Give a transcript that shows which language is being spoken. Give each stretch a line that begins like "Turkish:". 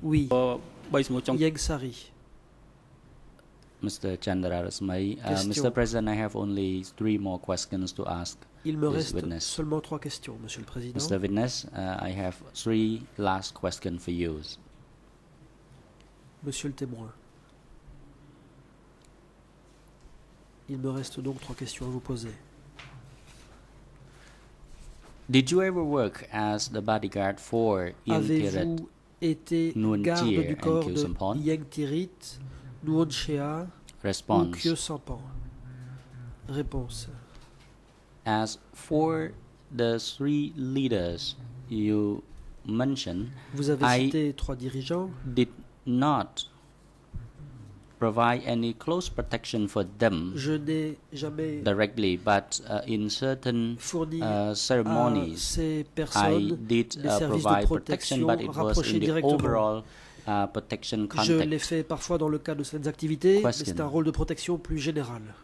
French: Oui. Ieng Sary.
English: Mr. Chandrarasmai, Mr. President, I have only three more questions to ask.
French: Il me reste
English: witness.
French: Seulement trois questions, Monsieur le Président.
English: Mr. Witness, I have three last questions for you.
French: Monsieur le témoin, il me reste donc trois questions à vous poser.
English: Did you ever work as the bodyguard for
French: Avez-vous été garde du corps de Ieng Tirit, Nuon Chea
English: Response.
French: Ou Khieu Sampan? Réponse.
English: As for the three leaders you mentioned,
French: vous avez cité
English: I
French: trois dirigeants.
English: Did not provide any close protection for them
French: Je n'ai jamais
English: directly, but in certain ceremonies,
French: ces
English: I did provide
French: protection,
English: but it was in the overall protection context.
French: Je l'ai fait parfois dans le cadre de certaines activités,
English: Question.
French: Mais c'est un rôle de protection plus général.